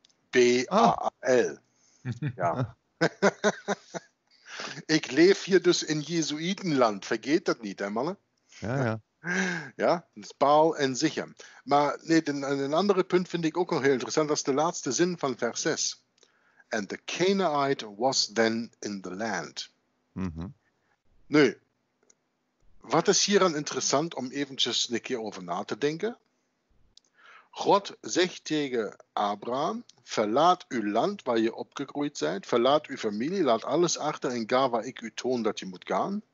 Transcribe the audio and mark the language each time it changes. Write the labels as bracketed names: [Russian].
[Dutch] B-A-A-L. Ah. Ja. Ik leef hier dus in Jesuitenland. Vergeet dat niet, hè, mannen? Ja, ja. Ja, Baal en Sichem. Maar nee, een andere punt vind ik ook nog heel interessant. Dat is de laatste zin van vers 6. [English] And the Canaanite was then in the land. Mm-hmm. [Dutch] Nu, wat is hier aan interessant om eventjes een keer over na te denken? God zegt tegen Abraham, verlaat uw land waar je opgegroeid bent, verlaat uw familie, laat alles achter en ga waar ik u toon dat je moet gaan.